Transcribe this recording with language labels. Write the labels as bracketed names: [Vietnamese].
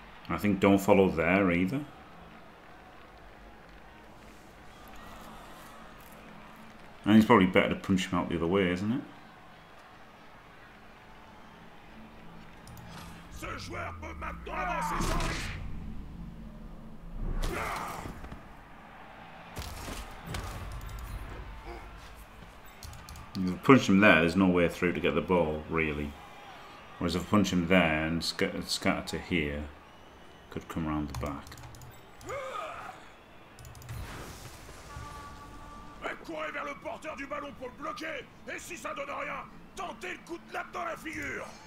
[English] I think don't follow there either. And it's probably better to punch him out the other way, isn't it? [French] Ce joueur peut maintenant avancer sans risque. [English] If I punch him there, there's no way through to get the ball, really. Whereas if I punch him there and scatter to here, could come around the back. [French] Courez vers le porteur du ballon pour le bloquer. Et si ça donne rien, tentez le coup de lap dans la figure.